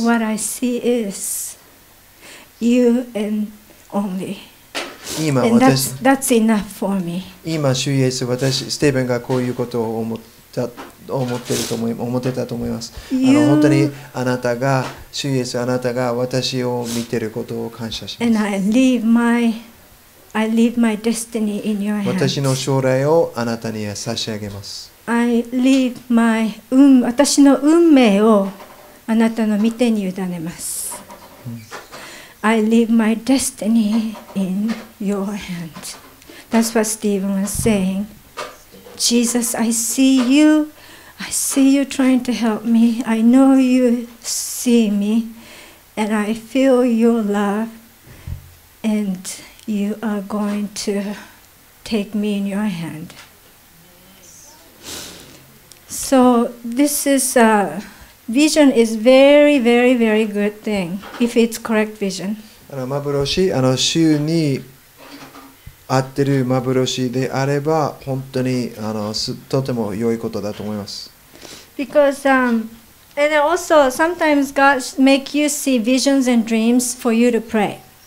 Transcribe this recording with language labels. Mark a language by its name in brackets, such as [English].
[English] What I see is you and only. [Japanese] 今 [English] that's enough for me. [Japanese] 今主イエス、私ステーブンがこういうことを思ってたと思います。 [English] You、 [Japanese] 本当にあなたが主イエス、あなたが私を見てることを感謝します。 [English] And I leave my destiny in your hands. [Japanese] 私の将来をあなたに差し上げます。 [English] I leave my [Japanese] 私の運命をあなたの御手に委ねます。 [English] I leave my destiny in your hands. That's what Stephen was saying. Jesus, I see you. I see you trying to help me. I know you see me, and I feel your love. And You are going to take me in your hand. So this is a vision is very, very, very good thing if it's correct vision. [Japanese] 幻、主に合ってる幻であれば本当にとても良いことだと思います。 [English] Because and also sometimes God make you see visions and dreams for you to pray.